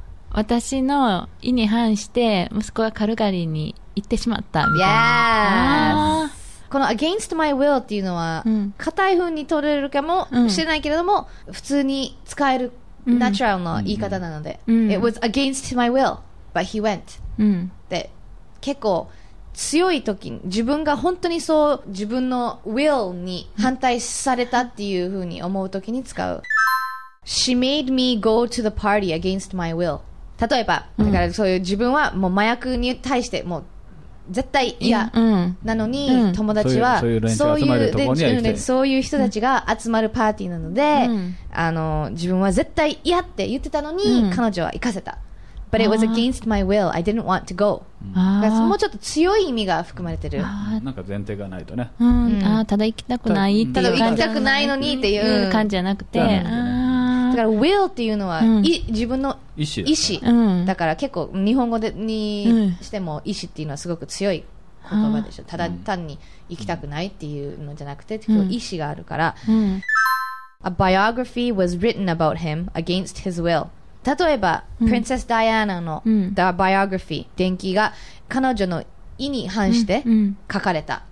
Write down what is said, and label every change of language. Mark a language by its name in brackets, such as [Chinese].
[Japanese] 私の意に反して息子がカルガリーに行ってしまったみたいな。 [English] Yes。 [Japanese] この [English] against my will [Japanese] っていうのは、うん、固い風に取れるかもしれないけれども、うん、普通に使えるナチュラルの言い方なので、うん、 [English] It was against my will, but he went、 [Japanese] うん、で結構強い時に自分が本当にそう自分の will に反対されたっていう風に思う時に使う。 [English] She made me go to the party against my will。 [Japanese] 例えば、だからそういう自分はもう麻薬に対してもう絶対嫌なのに、うん、友達は、そういう、そういう人たちが集まるパーティーなので、うん、自分は絶対嫌って言ってたのに、うん、彼女は行かせた。 [English] But it was against my will. I didn't want to go. [Japanese] あ、そのもうちょっと強い意味が含まれてる。なんか前提がないとね。うん、あ、ただ行きたくないっていう感じ。ただ行きたくないのにっていう、うん、感じじゃなくて。だから will っていうのは、うん、自分の意思、意思、うん、だから結構日本語でにしても意思っていうのはすごく強い言葉でしょ。ただ単に行きたくないっていうのじゃなくて、うん、意思があるから、うん、 [English] A biography was written about him against his will。 [Japanese] 例えば、うん、プリンセスダイアナの、うん、 [English] The biography [Japanese] 伝記が彼女の意に反して書かれた、